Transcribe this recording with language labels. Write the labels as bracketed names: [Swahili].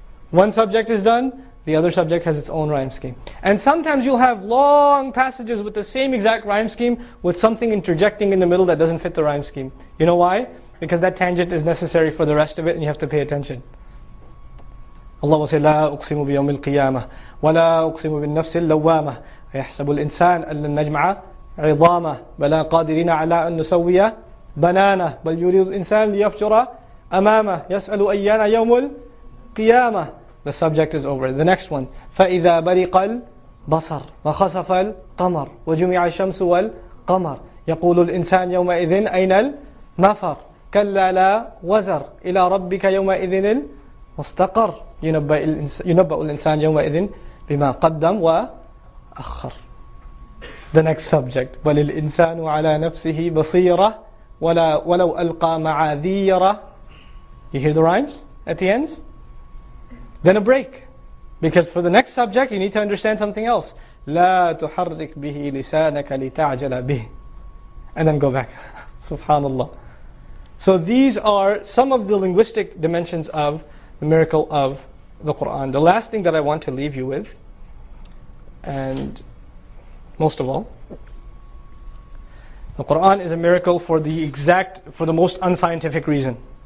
[English] One subject is done, the other subject has its own rhyme scheme. And sometimes you'll have long passages with the same exact rhyme scheme with something interjecting in the middle that doesn't fit the rhyme scheme. You know why? Because that tangent is necessary for the rest of it and you have to pay attention. Allah will say, [Arabic] لا أقسم بيوم القيامة ولا أقسم بالنفس اللوامة أيحسب الإنسان أن النجمع عظامة بلا قادرين على أن نسوي بنانة بل يريد الإنسان ليفجر أمامة يسأل أيان يوم القيامة. [English] The subject is over. The next one. [Arabic] فإذا برق البصر وخسف القمر وجمع الشمس والقمر يقول الإنسان يومئذ أين المفر كلا لا وزر إلى ربك يومئذ المستقر ينبأ الإنسان يومئذ بما قدم وأخر. [English] The next subject. [Arabic] وللإنسان على نفسه بصيرة ولو ألقى معاذيرة. [English] You hear the rhymes at the ends? Then a break. Because for the next subject, you need to understand something else. [Arabic] لا تحرك به لسانك لتعجل به. [English] And then go back. SubhanAllah. So these are some of the linguistic dimensions of the miracle of the Quran. The last thing that I want to leave you with, and most of all, the Quran is a miracle for the most unscientific reason.